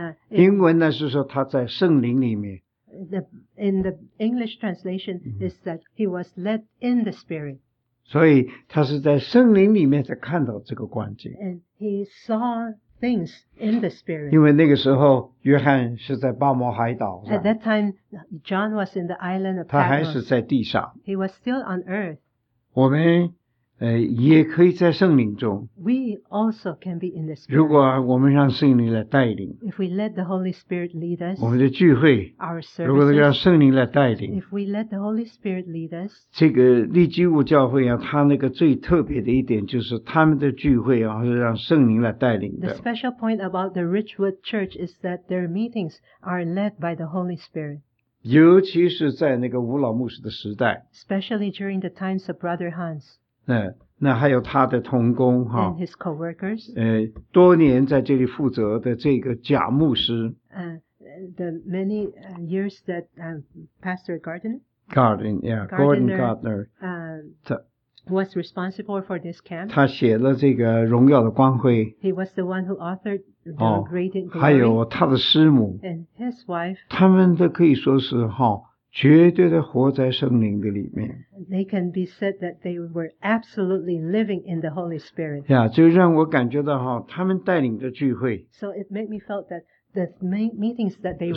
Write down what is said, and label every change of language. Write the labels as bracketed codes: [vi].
[zh] 英文呢是说他在圣灵里面。 [en] In the English translation, is that he was led in the Spirit. [zh] 所以他是在圣灵里面才看到这个光景。 [en] And he saw things in the Spirit. [zh] 因为那个时候，约翰是在巴摩海岛。 [en] At that time, John was in the island of [zh] Patmos. 他还是在地上。 [en] He was still on earth. [zh] 我们也可以在圣灵中。 [en] We also can be in the Spirit. [zh] 如果我们让圣灵来带领。 [en] If we let the Holy Spirit lead us. [zh] 我们的聚会。 [en] Our services. [zh] 如果让圣灵来带领。 [en] If we let the Holy Spirit lead us. [zh] 这个利基物教会啊，它那个最特别的一点就是他们的聚会啊，是让圣灵来带领的。 [en] The special point about the Ridgewood Church is that their meetings are led by the Holy Spirit. [zh] 尤其是在那个吴老牧师的时代。 [en] Especially during the times of Brother Hans. [zh] 那还有他的同工哈 [en] ，and his co-workers， [zh] 多年在这里负责的这个贾牧师 [en] ，the many years that Pastor Gordon Gardner was responsible for this camp， [zh] 他写了这个荣耀的光辉 [en] ，he was the one who authored the great glory， [zh] 还有他的师母 [en] ，and his wife， [zh] 他们都可以说是哈。绝对的活在圣灵的里面。 [en] They can be said that they were absolutely living in the Holy Spirit. [zh] 呀，就让我感觉到哈，他们带领的聚会。 [en] So it made me felt that the main meetings that they were